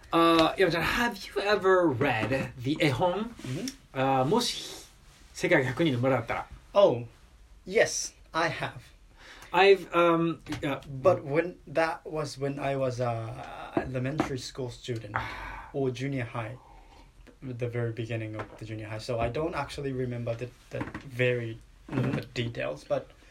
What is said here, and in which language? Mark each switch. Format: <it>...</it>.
<en>Yama-chan, have you ever read the 絵本?</en> <ja>もし世界が100人の村だったら?</ja> <en>Oh, yes, I have. But when that was when I was an elementary school student or junior high, the very beginning of the junior high, so I don't actually remember the very the details, but...</en>